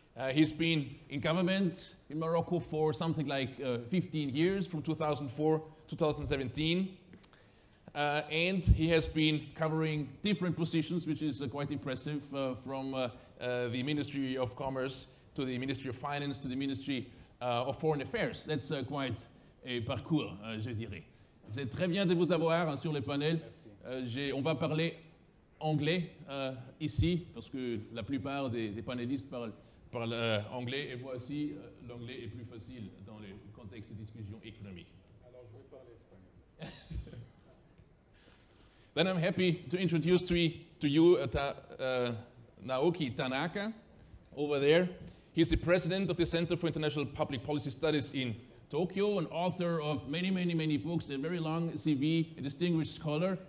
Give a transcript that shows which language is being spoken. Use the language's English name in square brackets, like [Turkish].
[English] He's been in government in Morocco for something like 15 years, from 2004 to 2017, and he has been covering different positions, which is quite impressive, from the Ministry of Commerce to the Ministry of Finance to the Ministry of Foreign Affairs. That's quite a parcours, [French] je dirais. C'est très bien de vous avoir sur le panel. On va parler anglais ici, parce que la plupart des panélistes parlent anglais, et voici l'anglais est plus facile dans le contexte de discussion économique. [English] Then I'm happy to introduce to you Naoki Tanaka over there. He's the president of the Center for International Public Policy Studies in Tokyo, an author of many, many, many books, a very long CV, a distinguished scholar.